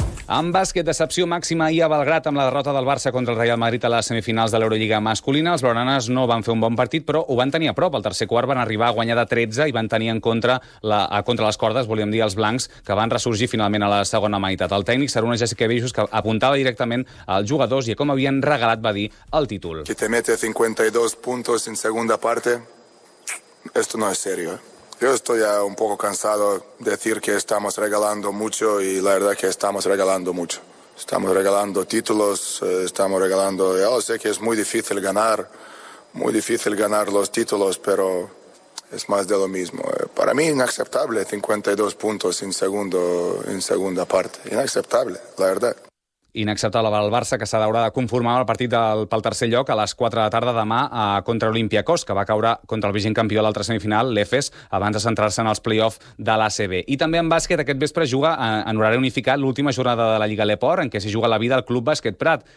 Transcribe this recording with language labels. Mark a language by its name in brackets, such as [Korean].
[Catalan] En bàsquet, decepció màxima i a Belgrat amb la derrota del Barça contra el Real Madrid a les semifinals de l'Eurolliga masculina. Els blaugranes no van fer un bon partit, però ho van tenir a prop. Al tercer quart van arribar a guanyar de 13 i van tenir en contra les cordes, volíem dir, els blancs, que van ressorgir finalment a la segona meitat. El tècnic, Saruna Jessica Bejus, que apuntava directament als jugadors i a com havien regalat, va dir, el títol. [Spanish] Que te mete 52 puntos en segunda parte, esto no es serio, ¿eh? Yo estoy ya un poco cansado de decir que estamos regalando mucho y la verdad que estamos regalando mucho. Estamos regalando títulos, estamos regalando... Yo sé que es muy difícil ganar los títulos, pero es más de lo mismo. Para mí inaceptable 52 puntos en segunda parte. Inaceptable, la verdad. [Catalan] Inacceptable per al Barça, que s'ha d'haurà de conformar el partit pel tercer lloc a les 4 de la tarda demà contra l'Olympiacos, que va caure contra el vigent campió a l'altra semifinal, l'Efes, abans de centrar-se en els play-off de l'ACB. I també en bàsquet, aquest vespre juga en horari unificat l'última jornada de la Lliga Leport, en què s'hi juga la vida el Club Bàsquet Prat.